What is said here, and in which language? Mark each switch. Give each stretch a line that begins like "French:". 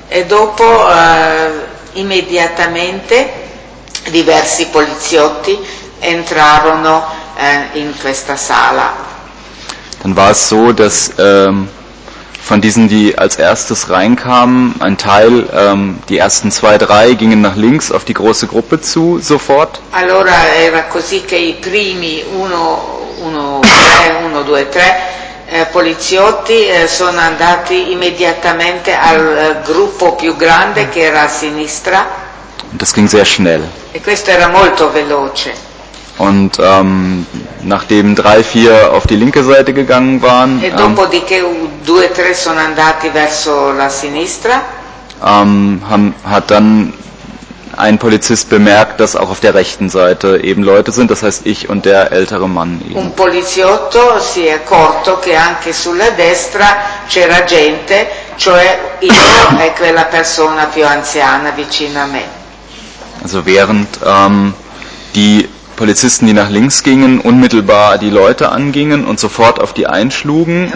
Italian: E dopo immediatamente diversi poliziotti entrarono in questa sala.
German: Dann war es so, dass von diesen, die als erstes reinkamen, ein Teil, die ersten zwei, drei, gingen nach links auf die große Gruppe zu, sofort.
Italian: Allora era così che i primi uno, due, tre poliziotti sono andati immediatamente al gruppo più grande che era a sinistra.
German: Und das ging sehr schnell.
Italian: E questo era molto veloce.
German: Und nachdem drei, vier auf die linke Seite gegangen waren,
Italian: e dopo di che due, tre sono andati verso la sinistra,
German: hat dann ein Polizist bemerkt, dass auch auf der rechten Seite eben Leute sind, das heißt ich und der ältere Mann eben.
Italian: Un poliziotto si è accorto che anche sulla destra c'era gente, cioè io e quella persona più anziana vicino a me.
German: Also während die Polizisten, die nach links gingen, unmittelbar die Leute angingen und sofort auf die einschlugen.